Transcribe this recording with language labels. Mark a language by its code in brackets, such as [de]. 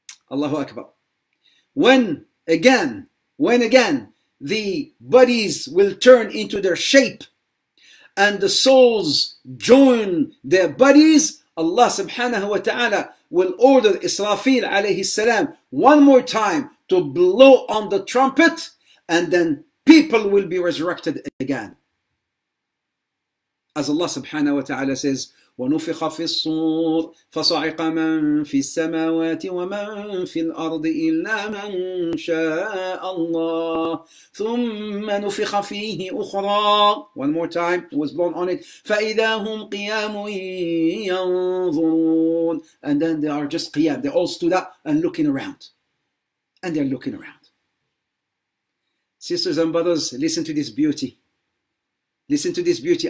[en] Allahu Akbar. When again, the bodies will turn into their shape, and the souls join their bodies, Allah subhanahu wa ta'ala will order Israfil alayhi salam one more time to blow on the trumpet, and then people will be resurrected again. [ar] As Allah subhanahu wa ta'ala says, وَنُفِخَ فِي الصُّورِ فَصَعِقَ مَنْ فِي السَّمَاوَاتِ وَمَنْ فِي الْأَرْضِ إِلَّا مَنْ شَاءَ اللَّهِ ثُمَّ نُفِخَ فِيهِ أُخْرَى. [en] One more time, it was blown on it. [ar] فَإِذَا هُمْ قِيَامٌ يَنْظُرُونَ. [en] And then they are just qiyam. They all stood up and looking around. And they're looking around. Sisters and brothers, listen to this beauty. Listen to this beauty.